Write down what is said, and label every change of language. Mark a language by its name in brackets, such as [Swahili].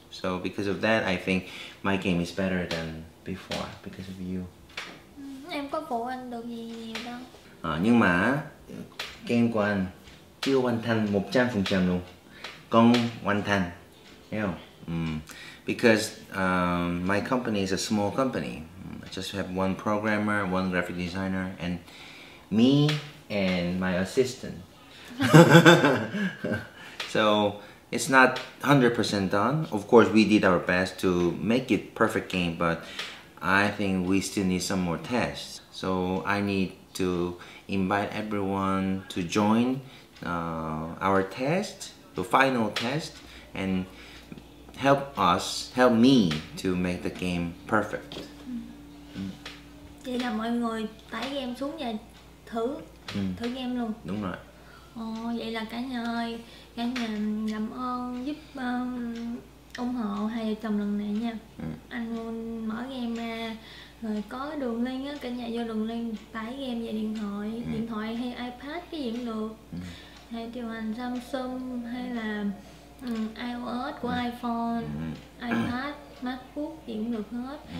[English] So because of that, I think my game is better than before because of you. [Vietnamese] Em có phụ anh được gì nhiều đâu. Nhưng mà game của anh chưa hoàn thành 100% luôn. Còn hoàn thành, hiểu không? [English] Because my company is a small company. Just have one programmer, one graphic designer, and me and my assistant. So it's not 100% done. Of course, we did our best to make it perfect game, but I think we still need some more tests. So I need to invite everyone to join our test, the final test, and help me to make the game perfect. [Vietnamese] Vậy là mọi người tải game xuống và thử thử game luôn. Đúng rồi. Vậy là cả nhà ơi, cả nhà làm ơn giúp ủng hộ hai vợ chồng lần này nha. Anh luôn mở game ra, rồi có đường link á, cả nhà vô đường link tải game về điện thoại, điện thoại hay iPad cái gì cũng được, hay điều hành Samsung hay là iOS của iPhone, iPad, MacBook gì cũng được hết.